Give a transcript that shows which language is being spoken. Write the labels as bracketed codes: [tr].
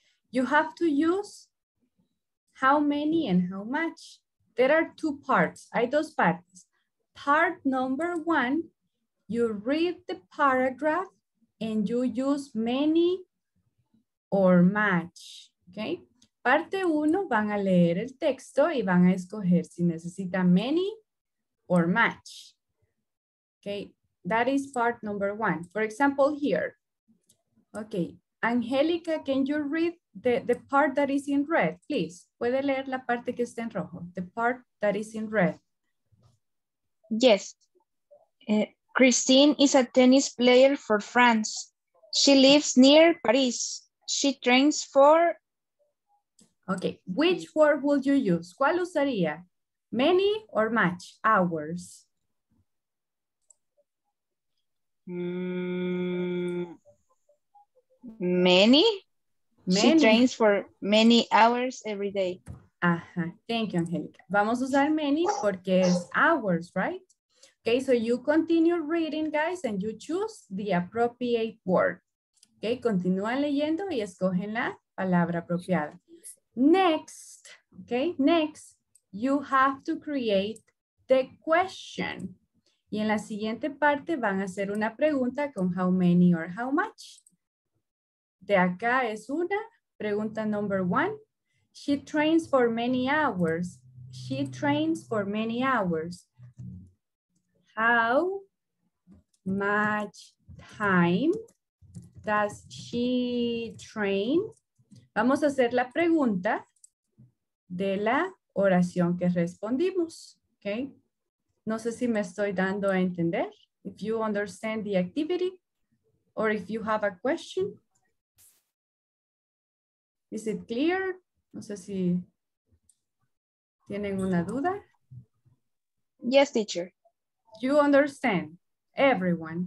[en] You have to use how many and how much. There are two parts. [es] Hay dos partes. [en] Part number one, you read the paragraph and you use many or much. Okay. [es] Parte uno, van a leer el texto y van a escoger si necesita many or much. [en] Okay. That is part number one. For example, here. Okay, Angelica, can you read the part that is in red, please? [es] ¿Puede leer la parte que está en rojo? [en] The part that is in red. Yes. Christine is a tennis player for France. She lives near Paris. She trains for... Okay, which word would you use? [es] ¿Cuál usaría? [en] Many or much? Hours. Many? Many. She trains for many hours every day. [es] Ajá. [en] Thank you, [es] Angelica. Vamos a usar many porque es hours, [en] right? Okay, so you continue reading, guys, and you choose the appropriate word. [es] Okay, continúan leyendo y escogen la palabra apropiada. [en] Next, okay, next, you have to create the question. [es] Y en la siguiente parte van a hacer una pregunta con how many or how much. De acá es una. Pregunta [en] number one. She trains for many hours. She trains for many hours. How much time does she train? [es] Vamos a hacer la pregunta de la oración que respondimos, okay? No sé si me estoy dando a entender. [en] If you understand the activity or if you have a question. Is it clear? [es] No sé si tienen una duda. [en] Yes, teacher. You understand, everyone.